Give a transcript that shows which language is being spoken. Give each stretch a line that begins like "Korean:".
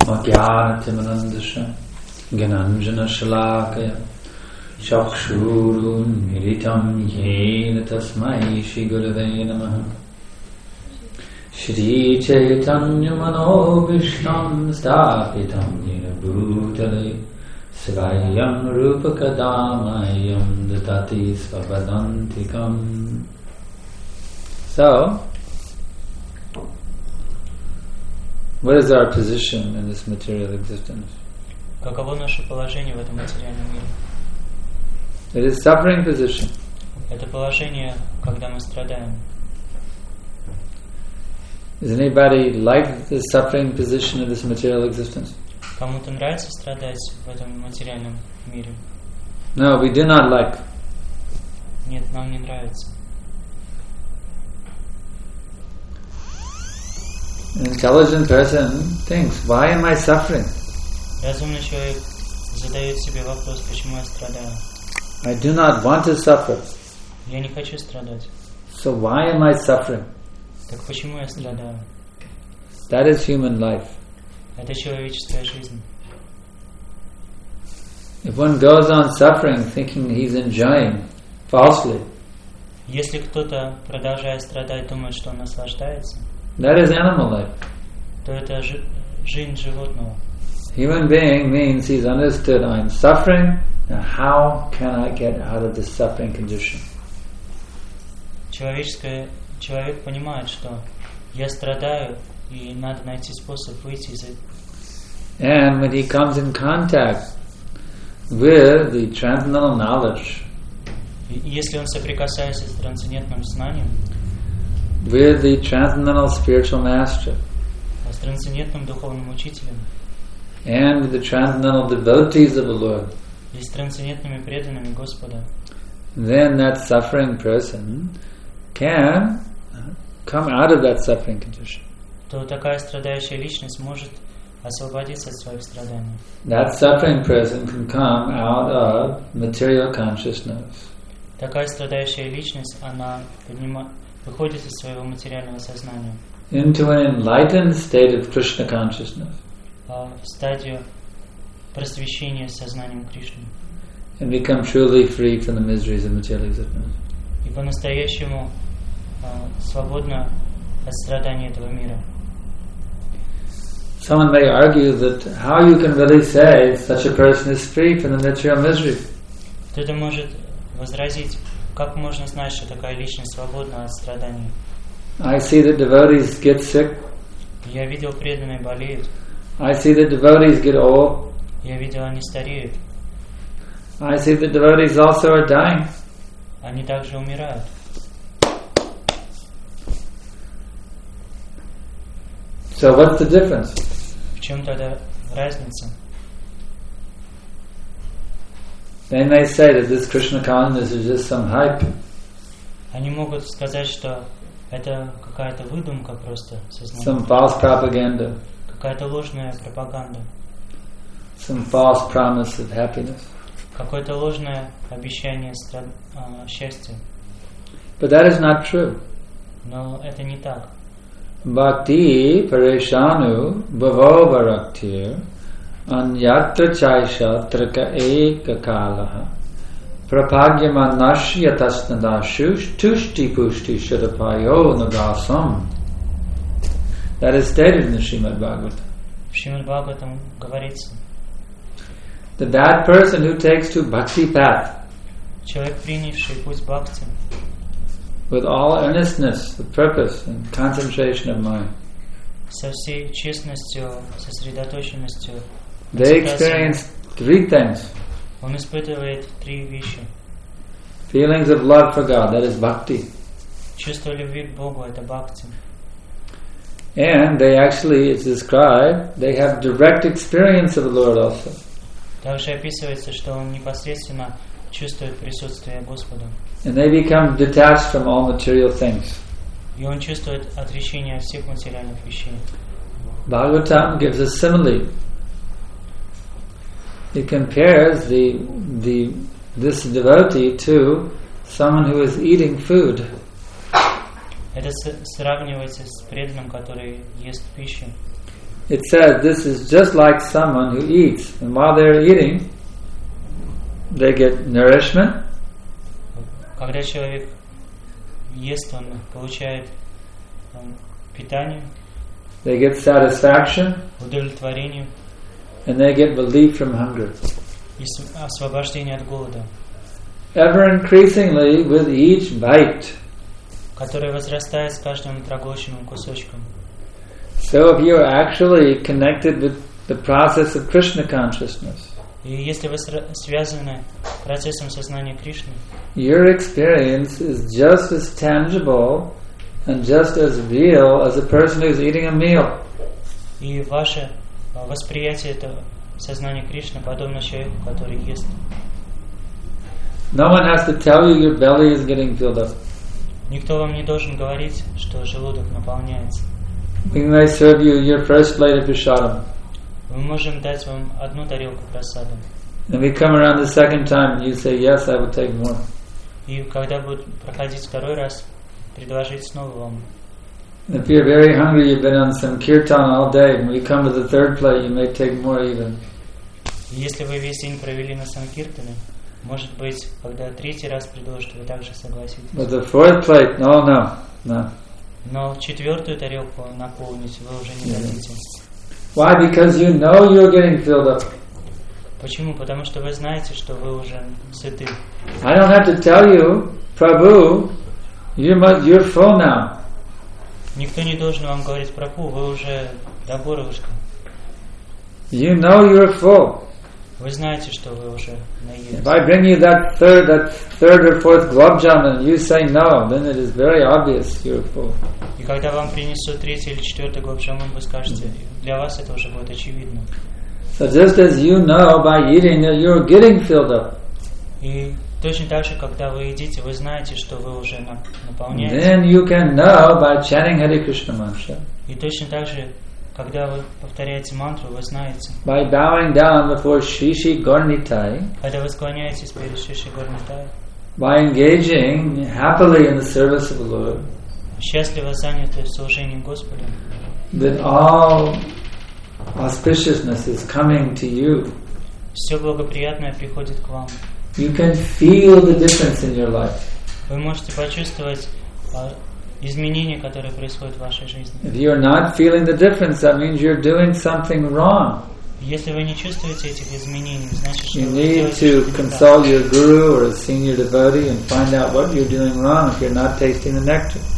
Sanskrit: Magyaratimanandasha Gananjana Shalakaya Chakshurun Miritam Yenatasmai Shri Gurudev Namaha Shri Chaitanya Manovishnam Stapitam Yenabhutale Svayam Rupakadamayam Dhatati Svabadantikam.
English: So, what is our position in this material existence?
Russian: Каково наше положение в этом материальном мире?
English: It is suffering position.
Russian: Это положение, когда мы страдаем.
English: Is anybody like the suffering position of this material existence?
Russian: Кому-то нравится страдать в этом материальном мире?
English: No, we do not like.
Russian: Нет, нам не нравится.
English: An intelligent person thinks, why am I suffering?
Russian: Разумный человек задает себе вопрос, почему я страдаю?
English: I do not want to suffer.
Russian: Я не хочу страдать.
English: So why am I suffering?
Russian: Так почему я страдаю?
English: That is human life.
Russian: Это человеческая жизнь.
English: If one goes on suffering, thinking he's enjoying, falsely.
Russian: Если кто-то продолжает страдать, думает, что он наслаждается.
English: That is animal life.
Russian: То это жизнь животного.
English: Human being means he's understood I'm suffering, and how can I get out of this suffering condition?
Russian: Человек понимает, что я страдаю, и надо найти способ выйти из этого.
English: And when he comes in contact with the transcendental knowledge,
Russian: если он соприкасается с трансцендентным знанием,
English: with the transcendental spiritual master,
Russian: с трансцендентным духовным учителем,
English: and with the transcendental devotees of the Lord,
Russian: и с трансцендентными преданными Господа,
English: then that suffering person can come out of that suffering condition.
Russian: То такая страдающая личность может освободиться от своих страданий.
English: That suffering person can come out of material consciousness.
Russian: Такая страдающая личность, она выходит из своего материального сознания.
English: Into an enlightened state of Krishna consciousness.
Russian: В стадию просвещения сознанием Кришны.
English: And become truly free from the miseries of material existence.
Russian: И по-настоящему свободно от страданий этого мира.
English: Someone may argue that how you can really say such a person is free from the material misery.
Russian: Кто-то может возразить, как можно знать, что такая личность свободна от страданий.
English: I see that devotees get sick.
Russian: Я видел, преданные болеют.
English: I see that devotees get old.
Russian: Я видел, они стареют.
English: I see that devotees also are dying.
Russian: Они также умирают.
English: So what's the difference?
Russian: В чем тогда разница?
English: They may say that this Krishna consciousness is just some hype.
Russian: Они могут сказать, что это какая-то выдумка просто.
English: Some false propaganda.
Russian: Какая-то ложная пропаганда.
English: Some false promise of happiness.
Russian: Какое-то ложное обещание счастья.
English: But that is not true.
Russian: Но это не так.
Sanskrit: Bhakti Parishanu Bhavo Bharaktir Anyatra Chaisha Trika Eka Kalaha Prapagyama Nashyatasnada Tushti Pushti Shadapayo Nagasam.
English: That is stated in the Srimad Bhagavatam.
Russian: В Srimad Bhagavatam говорится.
English: The bad person who takes to bhakti path.
Russian: Человек, принявший путь бхакти,
English: with all earnestness, the purpose and concentration of mind,
Russian: со всей честностью, сосредоточенностью,
English: they experience three things.
Russian: Он испытывает три вещи.
English: Feelings of love for God, that is bhakti.
Russian: Чувство любви к Богу, это бхакти.
English: And they actually, it's described, they have direct experience of the Lord also.
Russian: Также описывается, что он непосредственно чувствует присутствие Господа.
English: And they become detached from all material things.
Russian: И он чувствует отречение от всех материальных вещей.
English: Bhagavatam gives a simile. It compares this devotee to someone who is eating food.
Russian: Это сравнивается с преданным, который ест пищу.
English: It says this is just like someone who eats, and while they're eating, they get nourishment.
Russian: Когда человек ест, он получает питание.
English: They get satisfaction.
Russian: Удовлетворение.
English: And they get relief from hunger.
Russian: И освобождение от голода.
English: Ever increasingly with each bite.
Russian: Которое возрастает с каждым проглоченным кусочком.
English: So if you are actually connected with the process of Krishna consciousness,
Russian: и если вы связаны процессом сознания Кришны,
English: your experience is just as tangible and just as real as a person who is eating a meal.
Russian: И ваше восприятие этого сознания Кришны подобно человеку, который ест.
English: No one has to tell you your belly is getting filled up.
Russian: Никто вам не должен говорить, что желудок наполняется.
English: We may serve you your first plate of prasadam.
Russian: Мы можем дать вам одну тарелку прасада.
English: And we come around the second time, and you say, "Yes, I will take more."
Russian: И когда будет проходить второй раз, предложить снова вам.
English: If you're very hungry, you've been on some kirtan all day, and we come to the third plate, you may take more even.
Russian: Если вы весь день провели на санкиртане, может быть, когда третий раз предложат, вы также согласитесь.
English: But the fourth plate, no.
Russian: Но четвертую тарелку наполнить вы уже не хотите.
English: Why? Because you know you're getting filled up.
Russian: Почему? Потому что вы знаете, что вы уже сыты.
English: I don't have to tell you, Prabhu, you're full now.
Russian: Никто не должен вам говорить, Прабху, вы уже до горлышка.
English: You know you're full.
Russian: Вы знаете, что вы уже наелись.
English: If I bring you that third or fourth glob jam and you say no, then it is very obvious you're full.
Russian: И когда вам принесут третий или четвертый глоб джам, вы скажете, для вас это уже будет очевидно.
English: So just as you know by eating that you're getting filled up.
Russian: И точно так же, когда вы едите, вы знаете, что вы уже наполняетесь.
English: Then you can know by chanting Hare Krishna mantra.
Russian: И точно так же, когда вы повторяете мантру, вы знаете.
English: By bowing down before Shishi Gornitai.
Russian: Когда вы склоняетесь перед Шиши Горнитай.
English: By engaging happily in the service of the Lord.
Russian: Счастливо заняты в служении Господу.
English: Then all auspiciousness is coming to you.
Russian: Все благоприятное приходит к вам.
English: You can feel the difference in your life.
Russian: Вы можете почувствовать изменения, которые происходят в вашей жизни.
English: If you're not feeling the difference, that means you're doing something wrong.
Russian: Если вы не чувствуете этих изменений, значит,
English: you need to consult your guru or a senior devotee and find out what you're doing wrong if you're not tasting the nectar.